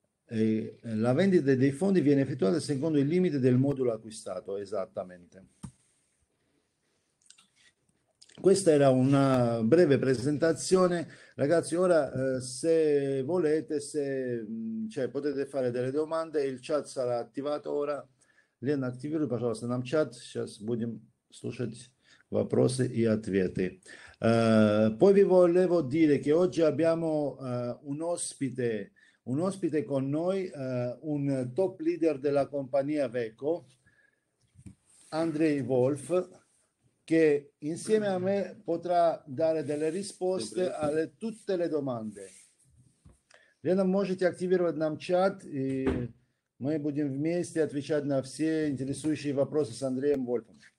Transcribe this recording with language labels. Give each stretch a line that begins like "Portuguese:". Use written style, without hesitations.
Italian: E la vendita dei fondi viene effettuata secondo il limite del modulo acquistato, esattamente. Questa era una breve presentazione. Ragazzi, ora se volete, cioè, potete fare delle domande. Il chat sarà attivato ora. Lena, attivirò per la nostra chat.
Russian: Сейчас будем слушать вопросы и ответы.
Italian: Poi vi volevo dire che oggi abbiamo un ospite con noi, un top leader della compagnia Veko, Andrei Wolf, che insieme a me potrà dare delle risposte a tutte le domande.
Russian: Lena, можете активировать нам чат, и мы будем вместе отвечать на все интересующие вопросы с Андреем Вольфом.